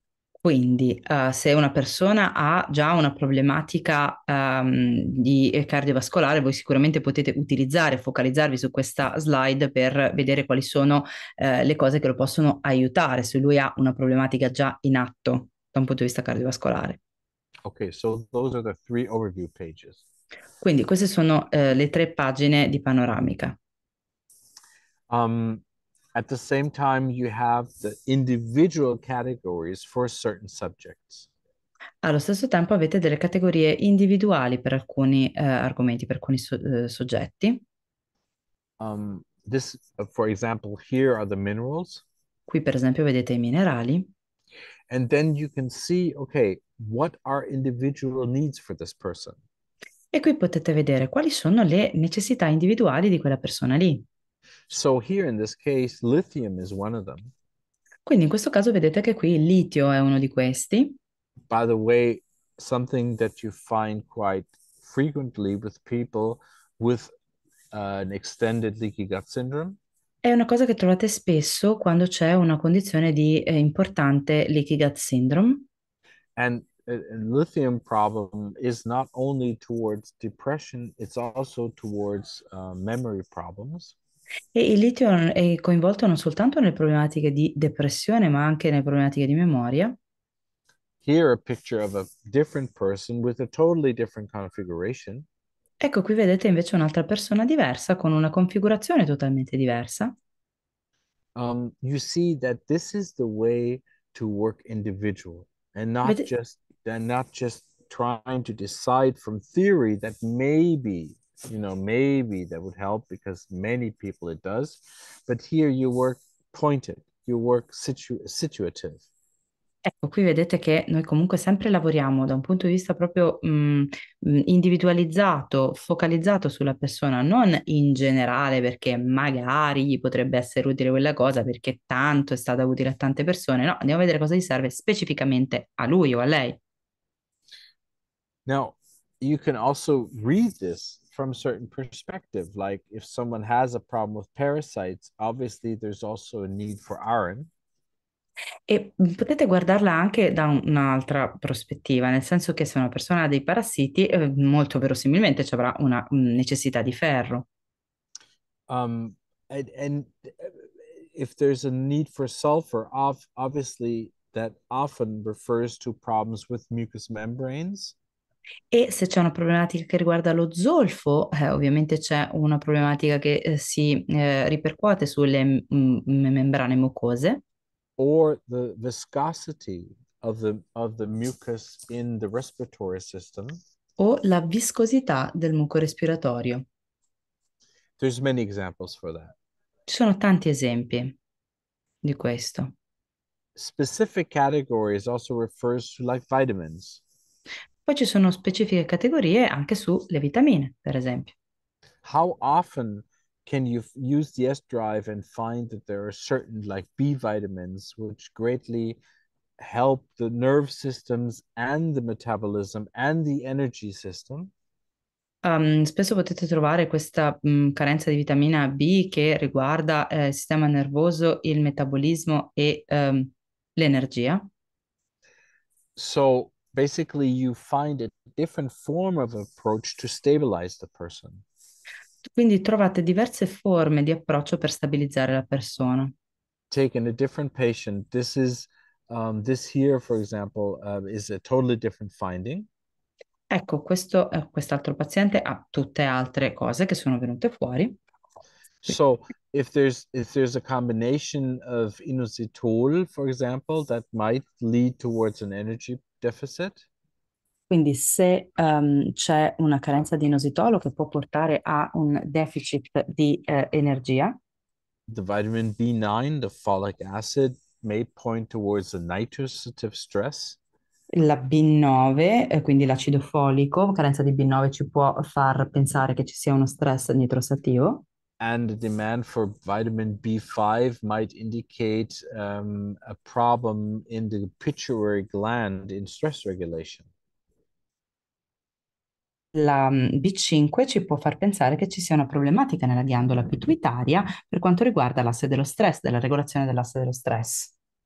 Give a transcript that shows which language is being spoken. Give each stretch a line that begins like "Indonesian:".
Italian: Quindi, se una persona ha già una problematica di cardiovascolare, voi sicuramente potete utilizzare, focalizzarvi su questa slide per vedere quali sono le cose che lo possono aiutare, se lui ha una problematica già in atto da un punto di vista cardiovascolare.
English: Okay, so those are the three overview pages.
Italian: Quindi queste sono le tre pagine di panoramica.
English: At the same time, you have the individual categories for certain subjects.
Italian: Allo stesso tempo avete delle categorie individuali per alcuni argomenti, per alcuni soggetti.
English: This, for example, here are the minerals.
Italian: Qui per esempio vedete i minerali.
English: And then you can see, okay, what are individual needs for this person?
Italian: E qui potete vedere quali sono le necessità individuali di quella persona lì.
English: So here in this case, lithium is one of them.
Italian: Quindi in questo caso vedete che qui il litio è uno di questi.
English: By the way, something that you find quite frequently with people with an extended leaky gut syndrome.
Italian: È una cosa che trovate spesso quando c'è una condizione di importante leaky gut syndrome.
English: And a lithium problem is not only towards depression, it's also towards memory problems.
Italian: E il litio è coinvolto non soltanto nelle problematiche di depressione, ma anche nelle problematiche di memoria.
English: Here a picture of a different person with a totally different configuration.
Italian: Ecco, qui vedete invece un'altra persona diversa, con una configurazione totalmente diversa.
English: You see that this is the way to work individual, and not just trying to decide from theory that maybe, you know, maybe that would help because many people it does. But here you work pointed, you work situative.
Italian: Ecco, qui vedete che noi comunque sempre lavoriamo da un punto di vista proprio individualizzato, focalizzato sulla persona, non in generale perché magari gli potrebbe essere utile quella cosa, perché tanto è stata utile a tante persone. No, andiamo a vedere cosa gli serve specificamente a lui o a lei.
English: Now, you can also read this from a certain perspective, like if someone has a problem with parasites, obviously there's also a need for iron.
Italian: E potete guardarla anche da un'altra prospettiva, nel senso che se una persona ha dei parassiti, molto verosimilmente ci avrà una necessità di ferro.
English: And if there's a need for sulfur, obviously that often refers to problems with mucous membranes.
Italian: E se c'è una problematica che riguarda lo zolfo, ovviamente c'è una problematica che si ripercuote sulle membrane mucose.
English: Or the viscosity of the mucus in the respiratory system.
Italian: O la viscosità del muco respiratorio.
English: There's many examples for that.
Italian: Ci sono tanti esempi di questo.
English: Specific categories also refers to like vitamins.
Italian: Poi ci sono specifiche categorie anche sulle vitamine, per esempio.
English: How often can you use the Sdrive and find that there are certain like B vitamins which greatly help the nerve systems and the metabolism and the energy system?
Italian: Spesso potete trovare questa carenza di vitamina B che riguarda il sistema nervoso, il metabolismo e l'energia.
English: So basically, you find a different form of approach to stabilize the person.
Italian: Quindi trovate diverse forme di approccio per stabilizzare la persona.
English: Taken a different patient. This is this here, for example, is a totally different finding.
Italian: Ecco, questo quest'altro paziente ha tutte altre cose che sono venute fuori.
English: So if there's a combination of inositol, for example, that might lead towards an energy deficit.
Italian: Quindi se c'è una carenza di inositolo che può portare a un deficit di energia.
English: The vitamin B9, the folic acid, may point towards the nitrosative stress.
Italian: La B9, quindi l'acido folico, carenza di B9 ci può far pensare che ci sia uno stress nitrosativo.
English: And the demand for vitamin B5 might indicate a problem in the pituitary gland in stress regulation.
Italian: La B5 ci può far pensare che ci sia una problematica nella ghiandola pituitaria per quanto riguarda l'asse dello stress, della regolazione dell'asse dello stress.